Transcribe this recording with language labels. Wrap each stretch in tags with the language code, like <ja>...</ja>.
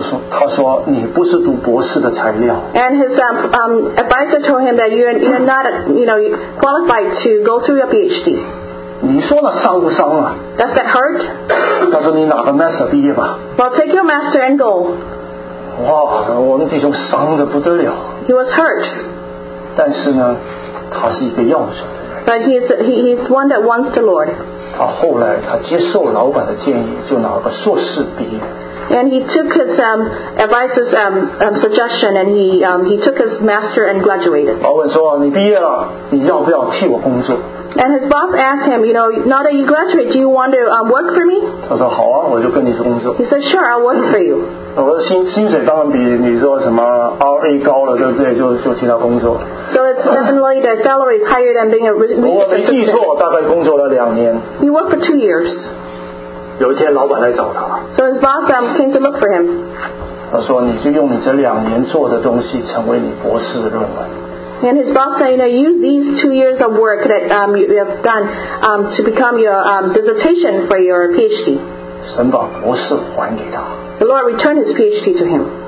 <zh>但有一天，他的教授告诉他说：“你不是读博士的材料。”</zh> <en>And his advisor told him that you're not, you know, qualified to go through your PhD.</en> <zh>你说那伤不伤啊？</zh> <en>Does that hurt?</en> <zh>他说：“你拿个 master 毕业吧。”</zh> <en>Well, take your master and go.</en> <zh>哇，我们弟兄伤得不得了。</zh> <en>He was hurt.</en> <zh>但是呢，他是一个要主的人。</zh> <en>But he's one that wants the Lord.</en> <zh>他后来他接受老板的建议，就拿个硕士毕业。</zh> <en>And he took his advice's suggestion, and he took his master and graduated.</en> <zh>老板说，你毕业了，你要不要替我工作？</zh> <en>And his boss asked him, you know, now that you graduate, do you want to work for me?</en> <zh>他说好啊，我就跟你工作。</zh> <en>He said, sure, I'll work for you.</en> <zh>我的薪水当然比你说什么 RA 高了，对不对？就其他工作。</zh> <en>So it's definitely the salary is higher than being a research assistant.</en> <zh>我没记错，大概工作了两年。</zh> <en>He worked for 2 years.</en> <zh>有一天老板来找他。</zh> <en>So his boss came to look for him.</en> <zh>他说你就用你这两年做的东西成为你博士的论文。</zh> <en>And his boss said, you know, use these 2 years of work that you have done to become your dissertation for your PhD.</en> <zh>神把博士还给他,</zh> <en>the Lord returned his PhD to him.</en>